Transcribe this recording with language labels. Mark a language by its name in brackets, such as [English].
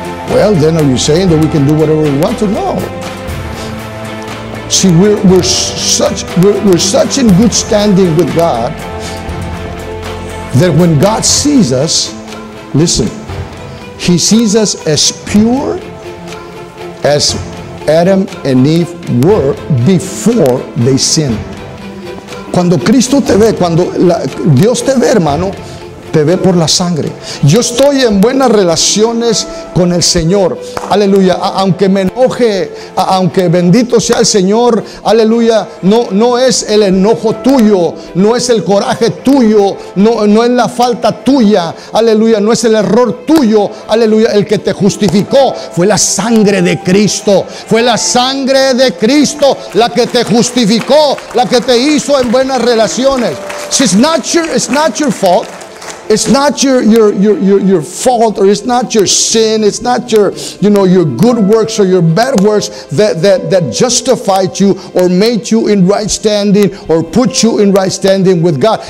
[English] Well, then are you saying that we can do whatever we want to? No. See, we're such in good standing with God that when God sees us, listen, He sees us as pure as Adam and Eve were before they sinned. [Spanish] Cuando Cristo te ve, cuando Dios te ve, hermano, te ve por la sangre. Yo estoy en buenas relaciones con el Señor. Aleluya. Aunque me enoje, aunque bendito sea el Señor. Aleluya. No es el enojo tuyo. No es el coraje tuyo. No es la falta tuya. Aleluya. No es el error tuyo. Aleluya. El que te justificó fue la sangre de Cristo. Fue la sangre de Cristo la que te justificó. La que te hizo en buenas relaciones. [English] It's not your fault. It's not your fault, or it's not your sin, it's not your, you know, your good works or your bad works that justified you or made you in right standing or put you in right standing with God.